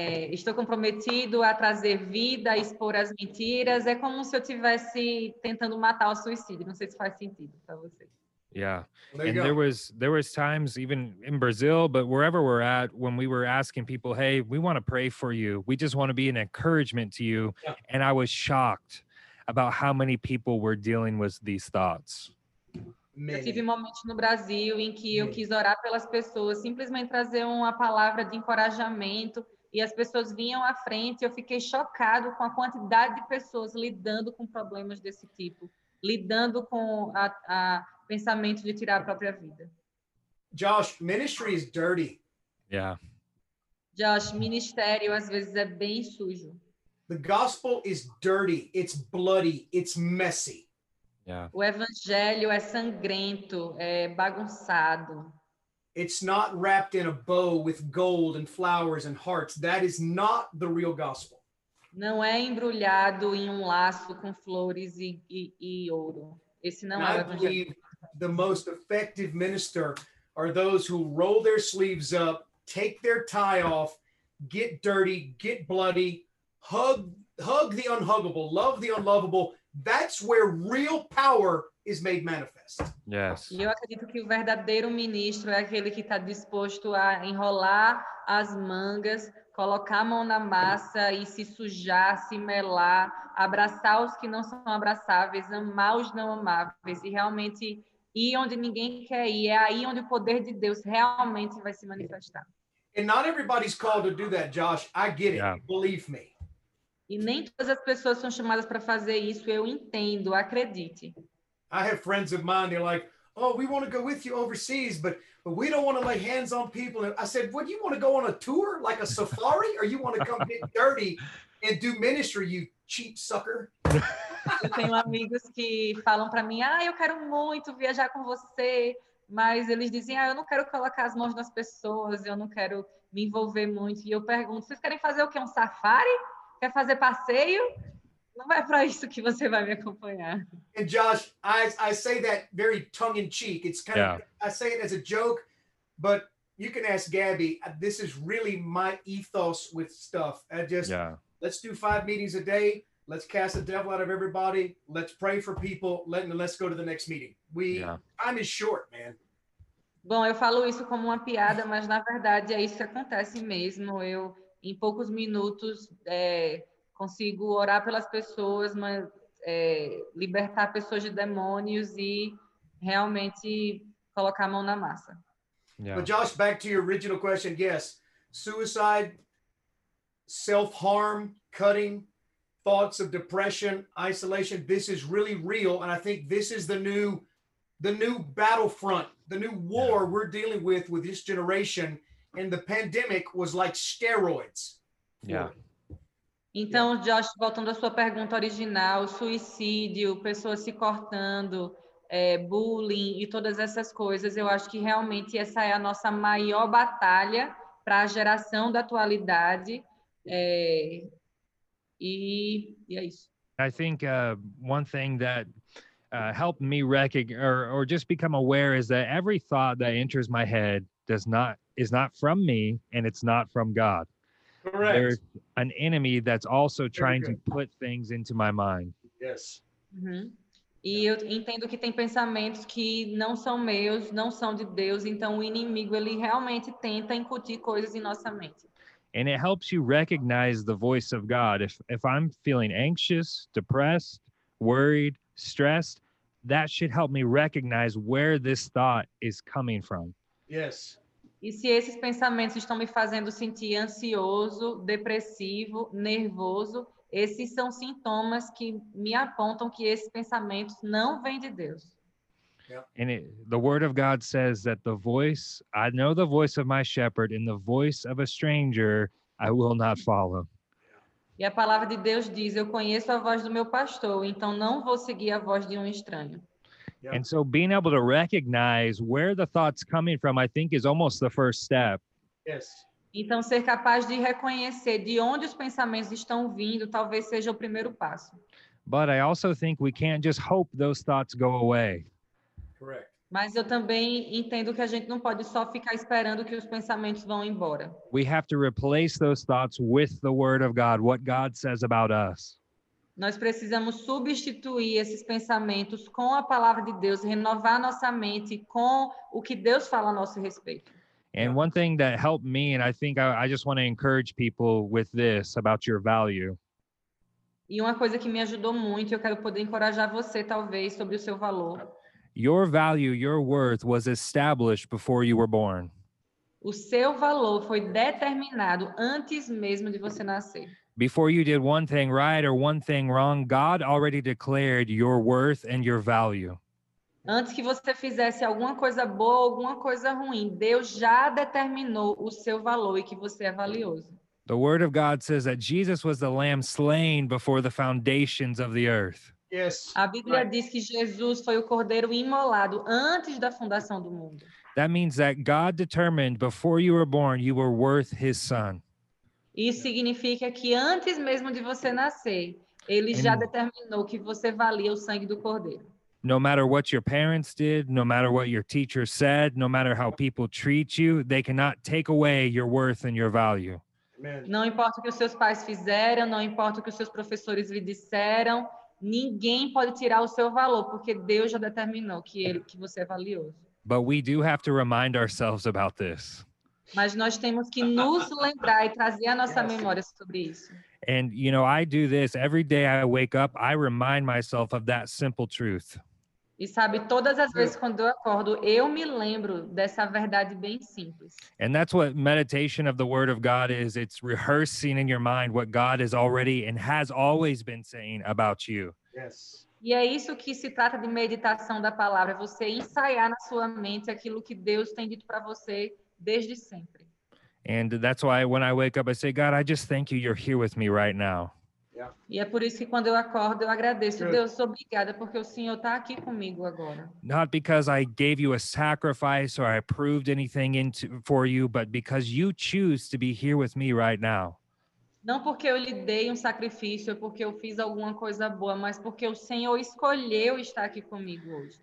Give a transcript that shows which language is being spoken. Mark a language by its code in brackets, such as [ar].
[pt] estou comprometido a trazer vida, a expor as mentiras. É como se eu estivesse tentando matar o suicídio. Não sei se faz sentido para você. [en] Yeah. Well, there was times even in Brazil, but wherever we're at, when we were asking people, hey, we want to pray for you. We just want to be an encouragement to you. Yeah. And I was shocked about how many people were dealing with these thoughts. [pt] Eu tive momentos no Brasil em que eu quis orar pelas pessoas, simplesmente trazer uma palavra de encorajamento e as pessoas vinham à frente. Eu fiquei chocado com a quantidade de pessoas lidando com problemas desse tipo, lidando com a pensamento de tirar a própria vida. [en] Josh, ministry is dirty. Yeah. [pt] Josh, ministério às vezes é bem sujo. [en] The gospel is dirty, it's bloody, it's messy. Yeah. [pt] O evangelho é sangrento, é bagunçado. [en] It's not wrapped in a bow with gold and flowers and hearts. That is not the real gospel. [pt] Não é embrulhado em um laço com flores e ouro. Esse não é o evangelho. [en] I believe the most effective minister are those who roll their sleeves up, take their tie off, get dirty, get bloody, hug the unhuggable, love the unlovable. That's where real power is made manifest. Yes. [pt] E eu acredito que o verdadeiro ministro é aquele que está disposto a enrolar as mangas, colocar a mão na massa e se sujar, se melar, abraçar os que não são abraçáveis, amar os não amáveis e realmente ir onde ninguém quer ir. É aí onde o poder de Deus realmente vai se manifestar. [en] And not everybody's called to do that, Josh. I get it. Yeah. Believe me. [pt] E nem todas as pessoas são chamadas para fazer isso, eu entendo, acredite. [en] I have friends of mine, they're like, oh, we want to go with you overseas, but we don't want to lay hands on people. And I said, what, you want to go on a tour, like a safari, or you want to come get dirty and do ministry, you cheap sucker? [pt] Eu tenho amigos que falam para mim, ah, eu quero muito viajar com você, mas eles dizem, ah, eu não quero colocar as mãos nas pessoas, eu não quero me envolver muito. E eu pergunto, vocês querem fazer o quê, um safari? Quer fazer passeio? Não é para isso que você vai me acompanhar. [en] And Josh, I say that very tongue in cheek. It's kind of, I say it as a joke, but you can ask Gabby. This is really my ethos with stuff. I just, let's do 5 meetings a day. Let's cast the devil out of everybody. Let's pray for people. Let's go to the next meeting. Time is short, man. [pt] Bom, eu falo isso como uma piada, mas na verdade é isso que acontece mesmo. Eu em poucos minutos consigo orar pelas pessoas, mas libertar pessoas de demônios e realmente colocar a mão na massa. [en] Yeah. But Josh, back to your original question, yes. Suicide, self-harm, cutting, thoughts of depression, isolation, this is really real. And I think this is the new battlefront, the new war we're dealing with this generation. And the pandemic was like steroids. Yeah. [pt] Então, Josh, voltando à sua pergunta original, suicídio, pessoas se cortando, bullying e todas essas coisas, eu acho que realmente essa é a nossa maior batalha para a geração da atualidade. É isso. [en] I think one thing that helped me recognize or just become aware is that every thought that enters my head is not from me, and it's not from God. Correct. There's an enemy that's also trying to put things into my mind. Yes. Uhum. [pt] E eu entendo que tem pensamentos que não são meus, não são de Deus, então o inimigo, ele realmente tenta incutir coisas em nossa mente. [en] And it helps you recognize the voice of God. If I'm feeling anxious, depressed, worried, stressed, that should help me recognize where this thought is coming from. Yes. [pt] E se esses pensamentos estão me fazendo sentir ansioso, depressivo, nervoso, esses são sintomas que me apontam que esses pensamentos não vêm de Deus. [en] Yeah. And the word of God says that the voice, I know the voice of my shepherd, and the voice of a stranger, I will not follow. [pt] E a palavra de Deus diz, eu conheço a voz do meu pastor, então não vou seguir a voz de estranho. [en] Yeah. And so being able to recognize where the thought's coming from, I think, is almost the first step. Yes. [pt] Então, ser capaz de reconhecer de onde os pensamentos estão vindo, talvez seja o primeiro passo. [en] But I also think we can't just hope those thoughts go away. Correct. [pt] Mas eu também entendo que a gente não pode só ficar esperando que os pensamentos vão embora. [en] We have to replace those thoughts with the word of God, what God says about us. [pt] Nós precisamos substituir esses pensamentos com a palavra de Deus, renovar nossa mente com o que Deus fala a nosso respeito. [en] And one thing that helped me, and I think I just want to encourage people with this about your value. [pt] E uma coisa que me ajudou muito, eu quero poder encorajar você, talvez, sobre o seu valor. [en] Your value, your worth was established before you were born. [pt] O seu valor foi determinado antes mesmo de você nascer. [en] Before you did one thing right or one thing wrong, God already declared your worth and your value. [pt] Antes que você fizesse alguma coisa boa ou alguma coisa ruim, Deus já determinou o seu valor e que você é valioso. [en] The word of God says that Jesus was the lamb slain before the foundations of the earth. Yes. [pt] A Bíblia diz que Jesus foi o cordeiro imolado antes da fundação do mundo. [en] That means that God determined before you were born, you were worth his son. [pt] Isso significa que antes mesmo de você nascer, ele já determinou que você valia o sangue do cordeiro. [en] No matter what your parents did, no matter what your teacher said, no matter how people treat you, they cannot take away your worth and your value. Amen. [pt] Não importa o que os seus pais fizeram, não importa o que os seus professores lhe disseram, ninguém pode tirar o seu valor, porque Deus já determinou que você é valioso. [en] But we do have to remind ourselves about this. [pt] Mas nós temos que nos lembrar e trazer à nossa memória sobre isso. [en] And, you know, I do this every day I wake up, I remind myself of that simple truth. [pt] E sabe, todas as vezes quando eu acordo, eu me lembro dessa verdade bem simples. [en] And that's what meditation of the Word of God is. It's rehearsing in your mind what God is already and has always been saying about you. Yes. [pt] E é isso que se trata de meditação da palavra, você ensaiar na sua mente aquilo que Deus tem dito para você desde sempre. [en] And that's why when I wake up, I say, God, I just thank you, you're here with me right now. Yeah. [pt] E é por isso que quando eu acordo, eu agradeço. [en] Good. [pt] Deus, obrigada, porque o Senhor está aqui comigo agora. [en] Not because I gave you a sacrifice or I proved anything for you, but because you choose to be here with me right now. [pt] Não porque eu lhe dei sacrifício, porque eu fiz alguma coisa boa, mas porque o Senhor escolheu estar aqui comigo hoje.